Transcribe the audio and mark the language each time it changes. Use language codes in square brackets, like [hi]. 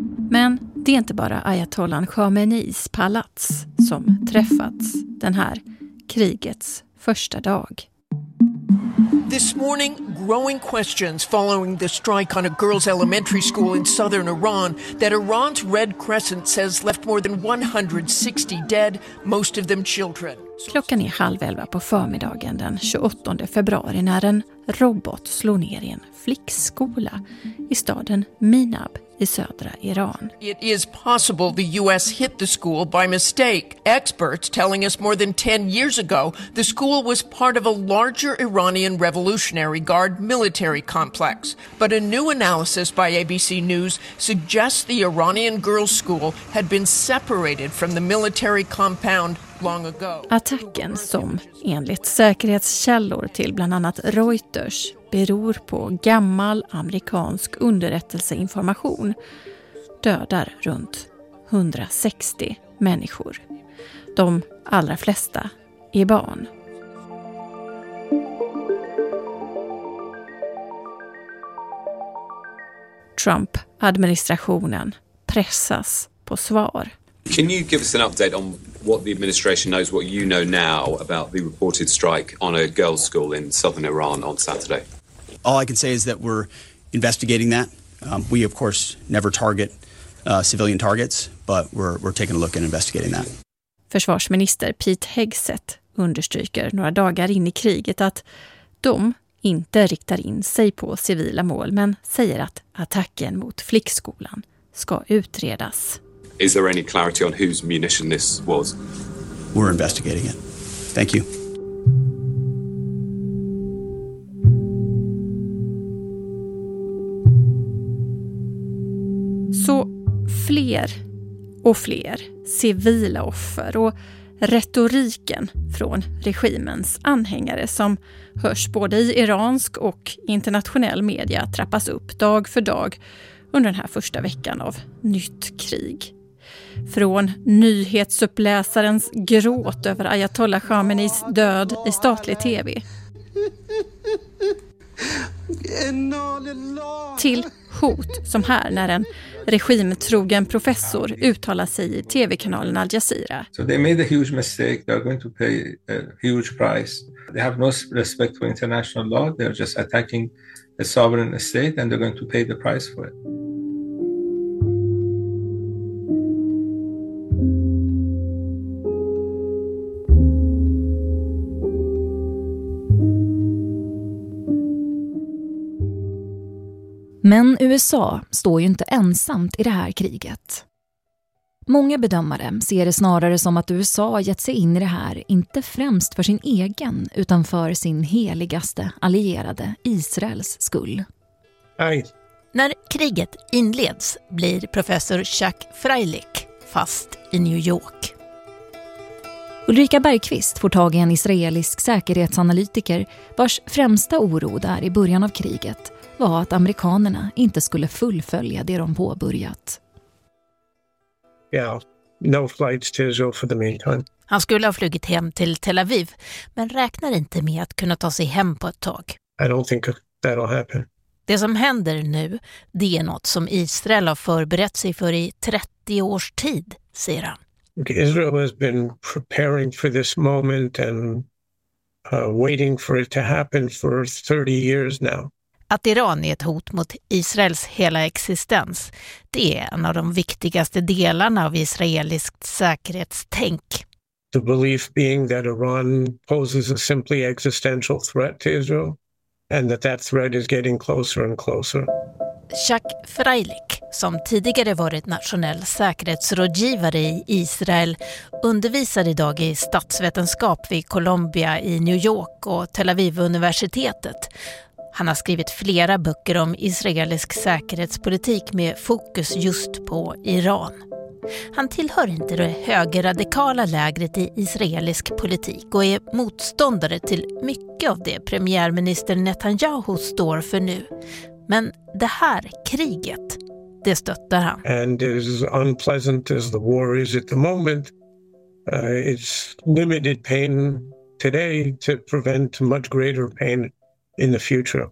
[sv] Men det är inte bara ayatollan Khamenei's palats som träffats den här krigets första dag. [en] This morning, growing questions following the strike on a girls' elementary school in southern Iran that Iran's Red Crescent says left more than 160 dead, most of them children. [sv] Klockan är 10:30 på förmiddagen den 28 februari när en robot slår ner i en flickskola i staden Minab i södra Iran. [en] It is possible the US hit the school by mistake. Experts telling us more than 10 years ago the school was part of a larger Iranian Revolutionary Guard military complex. But a new analysis by ABC News suggests the Iranian girls' school had been separated from the military compound long ago. [sv] Attacken, som enligt säkerhetskällor till bland annat Reuters, beror på gammal amerikansk underrättelseinformation, dödar runt 160 människor. De allra flesta är barn. Trump-administrationen pressas på svar. [en] Can you give us an update on what the administration knows, what you know now about the reported strike on a girls' school in southern Iran on Saturday? All I can say is that we're investigating that. We, of course, never target civilian targets, but we're taking a look and investigating that. [sv] Försvarsminister Pete Hegseth understryker några dagar in i kriget att de inte riktar in sig på civila mål, men säger att attacken mot flickskolan ska utredas. [en] Is there any clarity on whose munition this was? We're investigating it. Thank you. [sv] Så fler och fler civila offer och retoriken från regimens anhängare som hörs både i iransk och internationell media trappas upp dag för dag under den här första veckan av nytt krig. Från nyhetsuppläsarens gråt över Ayatollah Khameneis död i statlig tv till hot som här när en regimtrogen professor uttalar sig i tv-kanalen Al Jazeera. [en] So they made a huge mistake. They are going to pay a huge price. They have no respect for international law. They are just attacking a sovereign state and they're going to pay the price for it. [sv] Men USA står ju inte ensamt i det här kriget. Många bedömare ser det snarare som att USA gett sig in i det här inte främst för sin egen utan för sin heligaste allierade Israels skull. Hej. När kriget inleds blir professor Chuck Freilich fast i New York. Ulrika Bergqvist får tag i en israelisk säkerhetsanalytiker vars främsta oro där i början av kriget var att amerikanerna inte skulle fullfölja det de påbörjat. [en] Yeah, no flights to Israel for the meantime. [sv] Han skulle ha flugit hem till Tel Aviv, men räknar inte med att kunna ta sig hem på ett tag. [en] I don't think that'll happen. [sv] Det som händer nu, det är något som Israel har förberett sig för i 30 års tid, säger han. [en] Israel has been preparing for this moment and waiting for it to happen for 30 years now. [sv] Att Iran är ett hot mot Israels hela existens, det är en av de viktigaste delarna av israeliskt säkerhetstänk. [en] The belief being that Iran poses a simply existential threat to Israel and that that threat is getting closer and closer. [sv] Shak Freilich, som tidigare varit nationell säkerhetsrådgivare i Israel, undervisar idag i statsvetenskap vid Columbia i New York och Tel Aviv-universitetet. Han har skrivit flera böcker om israelisk säkerhetspolitik med fokus just på Iran. Han tillhör inte det högerradikala lägret i israelisk politik och är motståndare till mycket av det premiärminister Netanyahu står för nu. Men det här kriget, det stöttar han. [en] And as unpleasant as the war is at the moment, it's limited pain today to prevent much greater pain in the future.